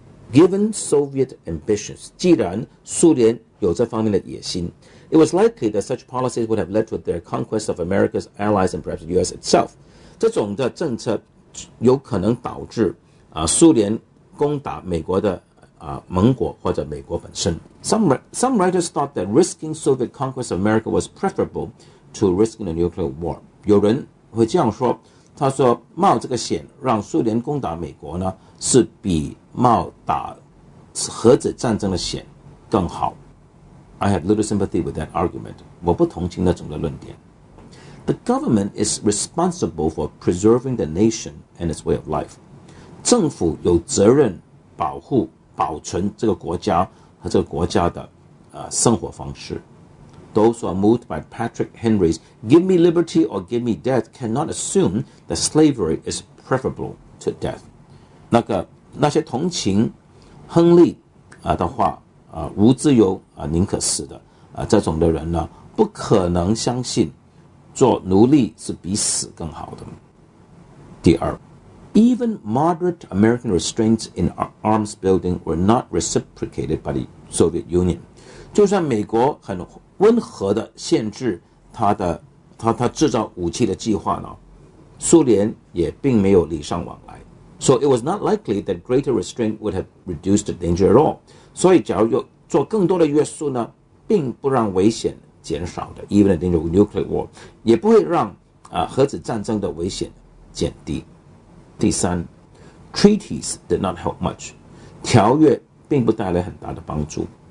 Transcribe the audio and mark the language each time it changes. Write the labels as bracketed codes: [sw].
[en] Given Soviet ambitions， [zh] 既然苏联有这方面的野心， [en] It was likely that such policies would have led to their conquest of America's allies and perhaps US itself。 [zh] 这种的政策有可能导致苏联攻打美国的盟国或者美国本身。 [en] Some writers thought that risking Soviet conquest of America was preferable to risking a nuclear war。 [zh] 有人会这样说，他说冒这个险让苏联攻打美国呢，是比冒打核子战争的险更好。 [en] I had little sympathy with that argument. [zh] 我不同情那种的论点。 [en] The government is responsible for preserving the nation and its way of life. [zh] 政府有责任保护、保存这个国家和这个国家的生活方式。 [en] Those who are moved by Patrick Henry's "Give me liberty or give me death" cannot assume that slavery is preferable to death. [zh] 那些同情亨利的话无自由宁可死的这种的人呢，不可能相信做奴隶是比死更好的。 [en] 第二， Even moderate American restraints in arms building were not reciprocated by the Soviet Union。 [zh] 就算美国很温和的限制他制造武器的计划呢，苏联也并没有礼尚往来。 [en] So it was not likely that greater restraint would have reduced the danger at all。 [zh] 所以假如有做更多的约束呢，并不让危险减少的， [en] even a danger of nuclear war， [zh] 也不会让核子战争的危险减低。第三， [en] treaties did not help much， [zh] 条约并不带来很大的帮助。